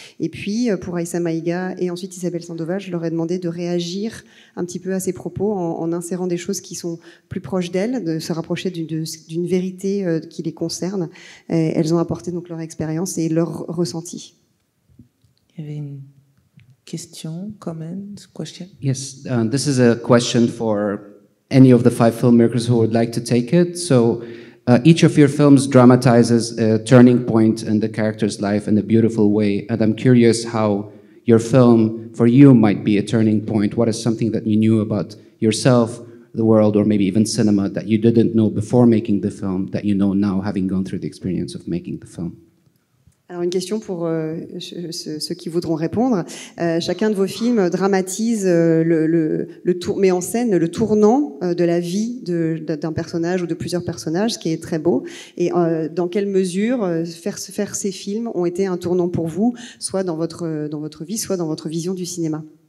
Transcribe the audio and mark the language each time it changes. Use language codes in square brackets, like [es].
[fr] Et puis, pour Aïssa Maïga et ensuite Isabelle Sandoval, je leur ai demandé de réagir un petit peu à ses propos en insérant des choses qui sont plus proches d'elles, de se rapprocher d'une vérité qui les concerne. Et elles ont apporté donc leur expérience et leur ressenti. Il y avait une question, comment, question? [en] Yes, this is a question for any of the five filmmakers who would like to take it. So each of your films dramatizes a turning point in the character's life in a beautiful way. And I'm curious how your film for you might be a turning point. What is something that you knew about yourself, the world, or maybe even cinema that you didn't know before making the film that you know now, having gone through the experience of making the film? [fr] Alors, une question pour ceux qui voudront répondre. Chacun de vos films dramatise, met en scène le tournant de la vie d'un personnage ou de plusieurs personnages, ce qui est très beau. Et dans quelle mesure faire ces films ont été un tournant pour vous, soit dans votre vie, soit dans votre vision du cinéma?